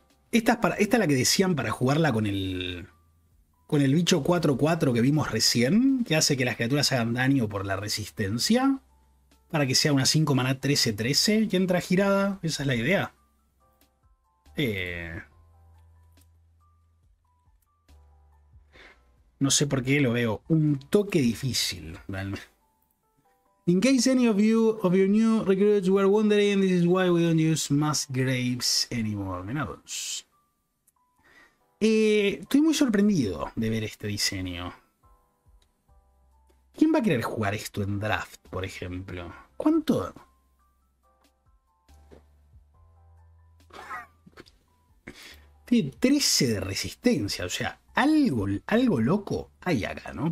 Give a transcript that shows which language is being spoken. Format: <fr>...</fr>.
<es>Esta es la que decían para jugarla con el... Con el bicho 4-4 que vimos recién, que hace que las criaturas hagan daño por la resistencia, para que sea una 5 maná 13-13 que entra girada, esa es la idea. No sé por qué lo veo un toque difícil.</es> <en>In case any of you new recruits were wondering, this is why we don't use mass graves anymore.</en> <es>Estoy muy sorprendido de ver este diseño. ¿Quién va a querer jugar esto en draft, por ejemplo? ¿Cuánto? Tiene 13 de resistencia. O sea, algo loco hay acá, ¿no?</es>